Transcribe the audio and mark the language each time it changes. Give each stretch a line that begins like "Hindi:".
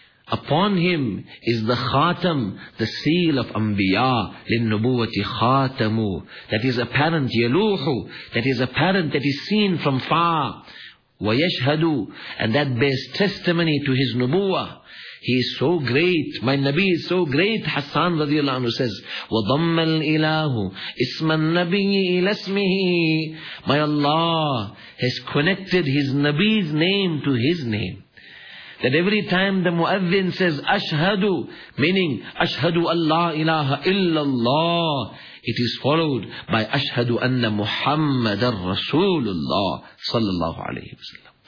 English: Upon him is the khatam, the seal of anbiya, لِلنُّبُوَّةِ khatamu. That is apparent, yaluhu. That is apparent, that is seen from far.
Arabic: وَيَشْهَدُ.
English: And that bears testimony to his nubuwa. He is so great. My Nabi is so great. Hassan radiallahu anhu says,
Arabic: وَضَمَّ الْإِلَهُ إِسْمَ النَّبِيِّ إِلَى اسْمِهِ.
English: My Allah has connected his Nabi's name to his name. That every time the Muadhin says, Ashhadu, meaning, Ashhadu Allah ilaha illallah, it is followed by Ashhadu anna Muhammadar Rasulullah sallallahu alayhi wa sallam.